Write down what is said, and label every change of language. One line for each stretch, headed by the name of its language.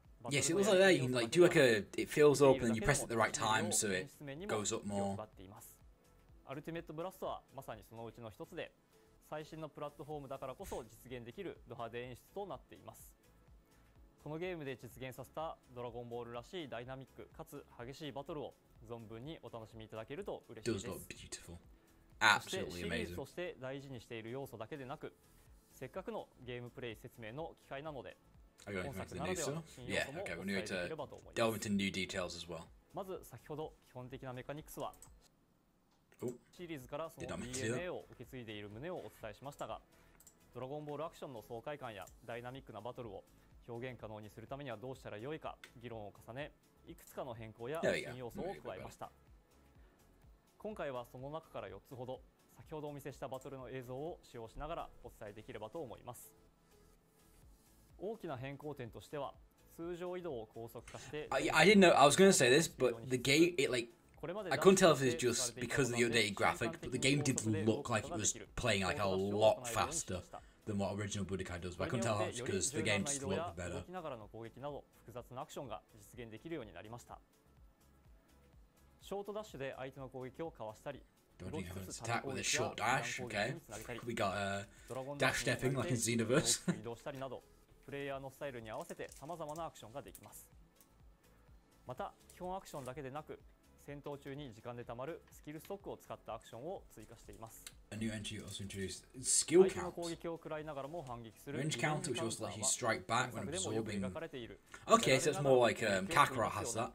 English: Yes, it looks like that. You can like do like a, it fills up and then you press it at the right time so it goes up more. Ultimate Blast is basically one of the most latest platforms, so it's possible to achieve the dramatic effect.
Japanese: このゲームで実現させたドラゴンボールらしいダイナミックかつ激しいバトルを存分にお楽しみいただけると嬉しいです。そしてシリーズとして大事にしている要素だけでなく、せっかくのゲームプレイ説明の機会なので、今作ならではの新要素もお伝えできればと思います。
English: Delve into new details as well.
Japanese: まず先ほど基本的なメカニクスは、シリーズからその DNA を受け継いでいる旨をお伝えしましたが、ドラゴンボールアクションの爽快感やダイナミックなバトルを表現可能にするためにはどうしたらよいか議論を重ね、いくつかの変更や新要素を加えました。今回はその中から4つほど、先ほどお見せしたバトルの映像を使用しながらお伝えできればと思います。大きな変更点としては、通常移動を高速化して、
English: I didn't know, I was going to say this, but the game, it like, I couldn't tell if it's just because of the updated graphic, but the game did look like it was playing like a lot faster. than what original Budokai does, but I couldn't tell how much because the game just looked better.
Japanese: きながらの攻撃など複雑なアクションが実現できるようになりました。ショートダッシュで相手の攻撃をかわしたり、ロックスタックをでショートダッシュ、
English: okay? We got a dash stepping like in Xenoverse.
Japanese: 移動したりなど、プレイヤーのスタイルに合わせて様々なアクションができます。また基本アクションだけでなく、戦闘中に時間で貯まるスキルストックを使ったアクションを追加しています。
English: A new entry also introduced skill count.
Japanese: 相手の攻撃を食らいながらも反撃する。
English: Range count, which also lets you strike back when absorbing. Okay, so it's more like Kakarot has that.